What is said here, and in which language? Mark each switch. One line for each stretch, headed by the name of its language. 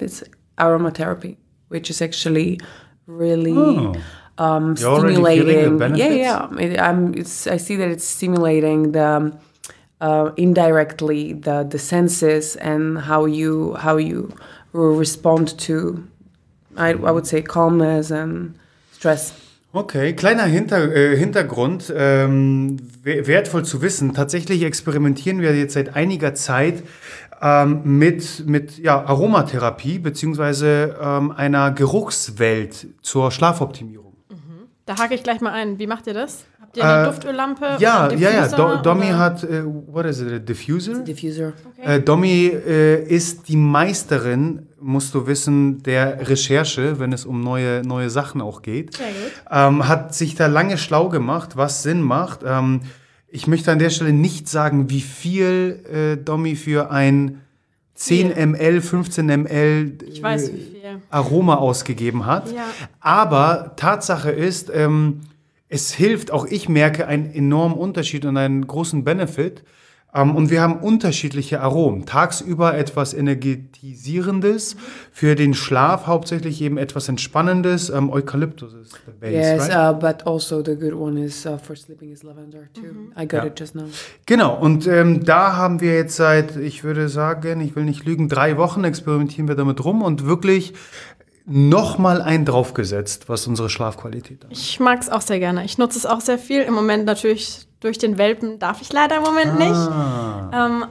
English: It's aromatherapy, which is actually really stimulating. You're already feeling the benefits? Yeah. I see that it's stimulating the indirectly the senses and how you respond to, I would say, calmness and stress.
German: Okay, kleiner Hintergrund, wertvoll zu wissen. Tatsächlich experimentieren wir jetzt seit einiger Zeit mit Aromatherapie beziehungsweise einer Geruchswelt zur Schlafoptimierung. Da hake ich gleich mal ein. Wie macht ihr das? Habt ihr eine Duftöllampe? Ja, oder ja, ja. Domi hat,
English: what is it, a diffuser? It's a diffuser. Okay.
German: Domi ist die Meisterin, musst du wissen, der Recherche, wenn es um neue Sachen auch geht. Sehr gut. Hat sich da lange schlau gemacht, was Sinn macht. Ich möchte an der Stelle nicht sagen, wie viel Domi für ein 10 ml, 15 ml ich weiß, wie viel. Aroma ausgegeben hat. Ja. Aber Tatsache ist, es hilft, auch ich merke einen enormen Unterschied und einen großen Benefit. Und wir haben unterschiedliche Aromen. Tagsüber etwas Energetisierendes, für den Schlaf hauptsächlich eben etwas Entspannendes. Eukalyptus ist
English: the base, yes, right? Yes, but also the good one is for sleeping is lavender too. Mm-hmm. I got it just now.
German: Genau, und da haben wir jetzt seit, ich würde sagen, ich will nicht lügen, 3 Wochen experimentieren wir damit rum und wirklich nochmal einen draufgesetzt, was unsere Schlafqualität angeht. Ich mag es auch sehr gerne. Ich nutze es auch sehr viel. Im Moment natürlich durch den Welpen darf ich leider im Moment nicht.